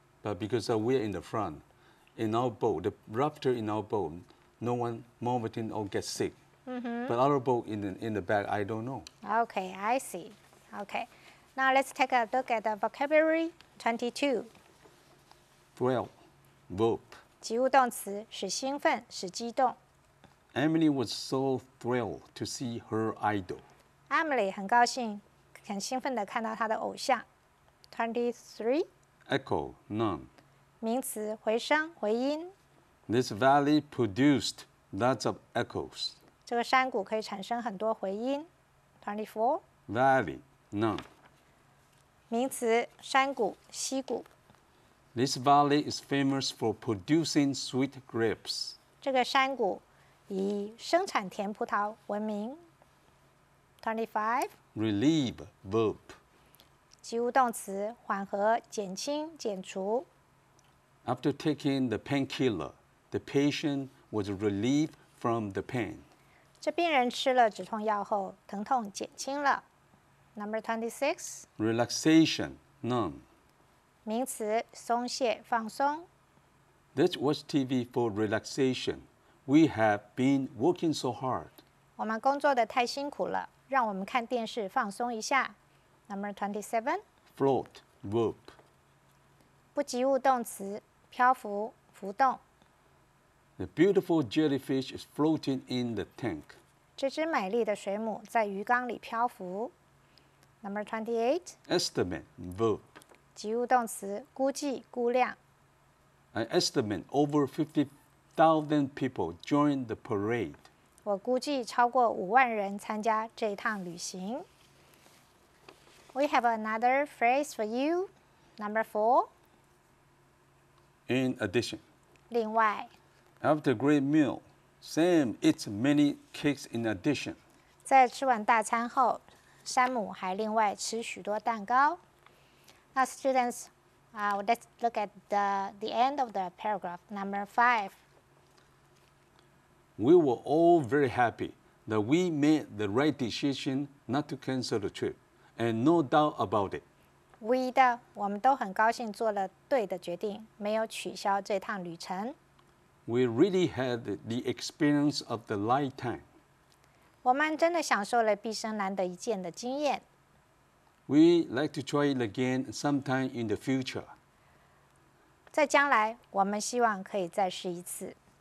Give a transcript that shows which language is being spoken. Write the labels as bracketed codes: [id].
[en] But because we're in the front, in our boat, the rafter in our boat, no one vomiting or get sick. Mm-hmm. But our boat in the back, I don't know. Okay, I see. Okay. Now let's take a look at the vocabulary 22. Well, verb. [zh] 及物动词使兴奋使激动。 [en] Emily was so thrilled to see her idol. [zh] Emily 很高兴很兴奋地看到她的偶像。23. [en] Echo, none. [zh] 名词回声回音。 [en] This valley produced lots of echoes. [zh] 这个山谷可以产生很多回音。 [en] 24. Valley, none. [zh] 名词山谷溪谷。 [en] This valley is famous for producing sweet grapes. [zh] 这个山谷以生产甜葡萄闻名。 [en] 25. Relieve, verb. [zh] 及物动词缓和减轻减除。 [en] After taking the painkiller, the patient was relieved from the pain. [zh] 这病人吃了止痛药后疼痛减轻了。 [en] Number 26. Relaxation, none. [zh] 名词松懈放松。 [en] Let's watch TV for relaxation. We have been working so hard. [zh] 我们工作的太辛苦了，让我们看电视放松一下。 [en] Number 27. Float, verb. [zh] 不及物动词，漂浮，浮动。 [en] The beautiful jellyfish is floating in the tank. [zh] 这只美丽的水母在鱼缸里漂浮。 [en] Number 28. Estimate, verb. [zh] 及物动词估计估量。 [en] I estimate over 50,000 people joined the parade. [zh] 我估计超过五万人参加这一趟旅行。 [en] We have another phrase for you, number 4. In addition. [zh] 另外。 [en] After a great meal, Sam eats many cakes in addition. [zh] 在吃完大餐后，山姆还另外吃许多蛋糕。 [en] Now, students, let's look at the end of the paragraph, number 5. We were all very happy that we made the right decision not to cancel the trip, and no doubt about it. [zh] We 的，我们都很高兴做了对的决定，没有取消这趟旅程。 [en] We really had the experience of the lifetime. [zh] 我们真的享受了毕生难得一见的经验。 [en] We like to try it again sometime in the future. [zh] 在将来，我们希望可以再试一次。